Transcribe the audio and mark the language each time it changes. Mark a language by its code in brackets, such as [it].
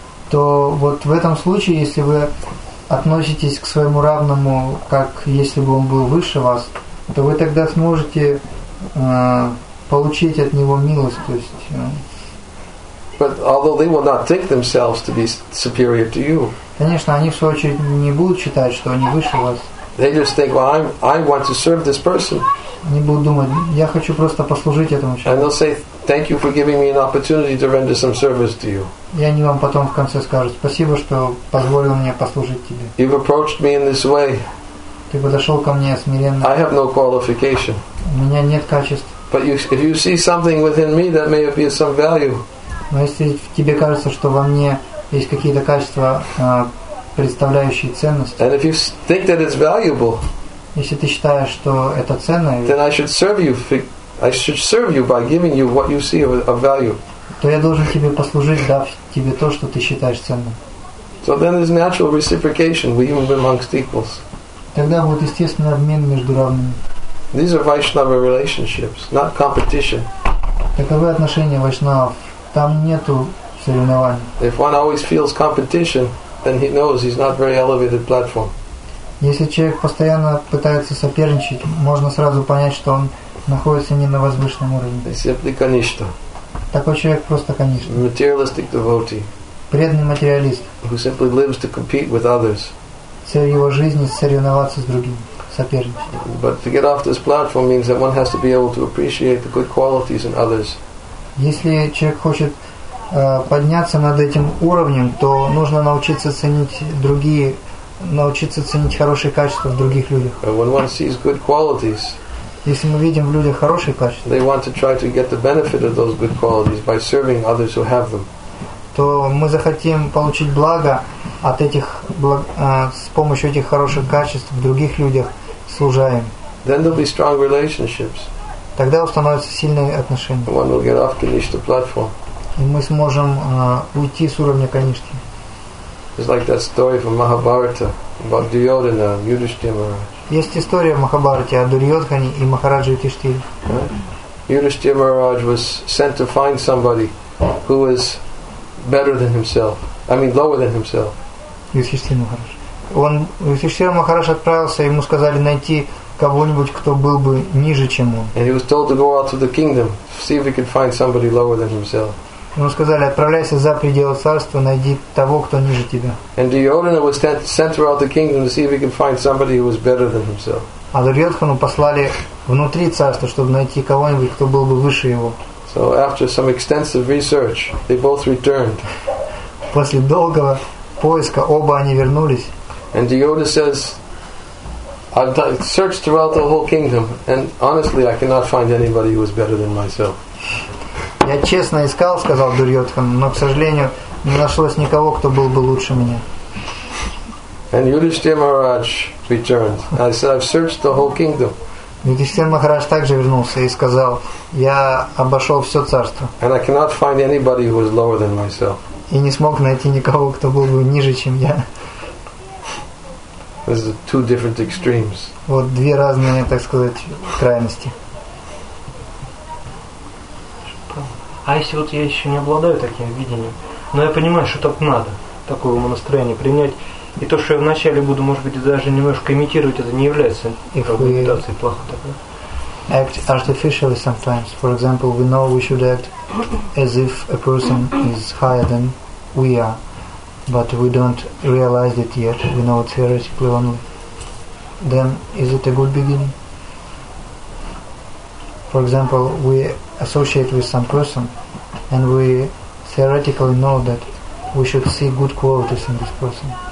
[ru] То вот в этом случае, если вы относитесь к своему равному как если бы он был выше вас, то вы тогда сможете получить от него милость, то есть. [en] But although they will not think themselves to be superior to you. [ru] Конечно, они в свою очередь не будут считать, что они выше вас. [en] They just think, well, I want to serve this person. [ru] Они будут думать, я хочу просто послужить этому человеку. [en] And they'll say, thank you for giving me an opportunity to render some service to you. [ru] И они вам потом в конце скажут, спасибо, что позволил мне послужить тебе. [en] You've approached me in this way. [ru] Ты подошел ко мне смиренно. [en] I have no qualification. [ru] У меня нет качеств. [en] But you, if you see something within me that may be of some value. [ru] Но если тебе кажется, что во мне есть какие-то качества, представляющие ценность. [en] And if you think that it's valuable. [ru] Если ты считаешь, что это ценно. [en] Then I should serve you by giving you what you see of value. [ru] То я должен тебе послужить, дав тебе то, что ты считаешь ценным. [en] So then there's natural reciprocation even amongst equals. [ru] Тогда будет естественный обмен между равными. [en] These are Vaishnava relationships, not competition. [ru] Таковы отношения вайшнавов. Там нету соревнований. [en] If one always feels competition, then he knows he's not very elevated platform. [ru] Если человек постоянно пытается соперничать, можно сразу понять, что он находится не на возвышенном уровне. [en] He's simply kanishta. [ru] Такой человек просто конечно. [en] Materialistic devotee. [ru] Преданный материалист. [en] Who simply lives to compete with others. [ru] Цель его жизни соревноваться с другими, соперничать. [en] But to get off this platform means that one has to be able to appreciate the good qualities in others. [ru] Если человек хочет подняться над этим уровнем, то нужно научиться ценить хорошие качества в других людях. [en] When one sees good qualities, [ru] если мы видим в людях хорошие качества, [en] they want to try to get the benefit of those good qualities by serving others who have them. [ru] То мы захотим получить благо от этих с помощью этих хороших качеств в других людях служа им. [en] Then there'll be strong relationships. [ru] Тогда установятся сильные отношения. [en] One will get off Kanishta platform. [ru] И мы сможем уйти с уровня Канишки. [en] It's like that story from Mahabharata about Duryodhana and Yudhishthira Maharaj. [ru] Есть история в Махабхарате о Дурьодхане и Махараджи Юдхиштхире. [en] Yudhishthira Maharaj was sent to find somebody who was better than himself. I mean, lower than himself. [ru] Юдхиштхира Махарадж. Он Юдхиштхира Махарадж отправился, ему сказали найти кого-нибудь, кто был бы ниже, чем он. [en] And he was told to go out to the kingdom, see if he could find somebody lower than himself. [ru] Ему сказали, отправляйся за пределы царства, найди того, кто ниже тебя. [en] And Duryodhana was sent throughout the kingdom to see if he could find somebody who was better than himself. [ru] А Дурьодхану послали внутри царства, чтобы найти кого-нибудь, кто был бы выше его. [en] So after some extensive research, they both returned. [ru] После долгого поиска оба они вернулись. [en] And Duryodhana says, I've searched throughout the whole kingdom, and honestly, I cannot find anybody who is better than myself. [ru] Я честно искал, сказал Дурьодхан, но к сожалению, не нашлось никого, кто был бы лучше меня. [en] And Yudhishthira Maharaj returned. I said, I've searched the whole kingdom, [ru] Юдхиштхир Махарадж также вернулся и сказал: «Я обошел все царство». [en] And I cannot find anybody who is lower than myself. [ru] И не смог найти никого, кто был бы ниже, чем я. [en] These are two different extremes. [ru] Вот две разные, так сказать, крайности. А если вот я еще не обладаю таким видением, но я понимаю, что так надо, такое умонастроение принять, и то, что я вначале буду, может быть, даже немножко имитировать, это не является имитацией плохой такой. [en] Act artificially sometimes. For example, we know we should act as if a person is higher than we are, but we don't realize it yet. We know it theoretically only. Then is it a good beginning? For example, we associate with some person and we theoretically know that we should see good qualities in this person.